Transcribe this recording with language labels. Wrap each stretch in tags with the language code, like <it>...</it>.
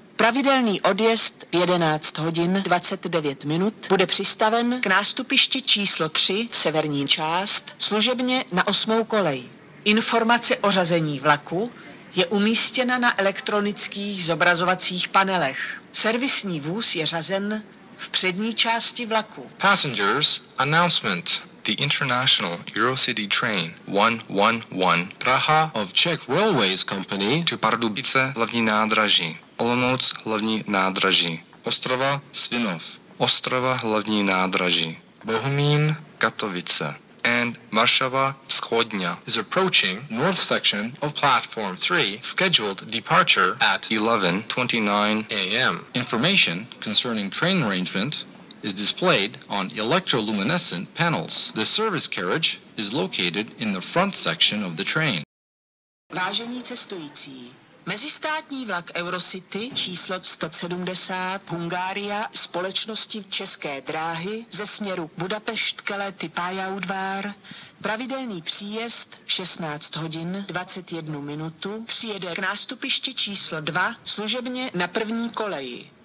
<cs>Pravidelný odjezd v 11 hodin 29 minut bude přistaven k nástupišti číslo 3 v severní část služebně na 8. kolej. Informace o řazení vlaku je umístěna na elektronických zobrazovacích panelech. Servisní vůz je řazen v přední části vlaku.</cs> <en>Passengers, announcement. The International Eurocity Train 111 Praha of Czech Railways Company to Pardubice hlavní nádraží, Olomouc hlavní nádraží, Ostrava Svinov, Ostrava hlavní nádraží, Bohumín, Katovice and Varšava Vschodňa is approaching north section of platform 3, scheduled departure at 11:29 a.m. Information concerning train arrangement is displayed on electroluminescent panels. The service carriage is located in the front section of the train.</en> <cs>Vážení cestující, mezistátní vlak Eurocity číslo 170 Hungária společnosti České dráhy ze směru Budapešt-Keleti Pályaudvar pravidelný příjezd v 16 hodin 21 minutu přijede k nástupišti číslo 2 služebně na první koleji.</cs>